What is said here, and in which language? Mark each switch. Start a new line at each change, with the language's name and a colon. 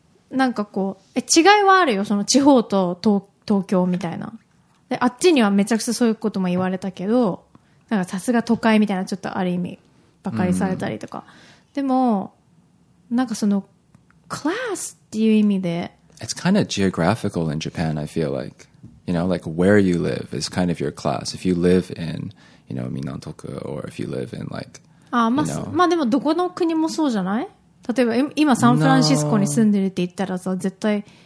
Japanese: なんかこう、違いはあるよ。その地方と東京みたいな。で、あっちにはめちゃくちゃそういうことも言われたけど、なんかさすが都会みたいな、ちょっとある意味、ばかりされたりとか。でも、なんかその、クラスっていう意味で。
English: It's kind of geographical in Japan, I feel like. You know, like where you live is kind of your class. If you live in, you know, Minantoku, or if you live in like,
Japanese: まあでもどこの国もそうじゃない？例えば今サンフランシスコに住んでるって言ったらさ、絶対。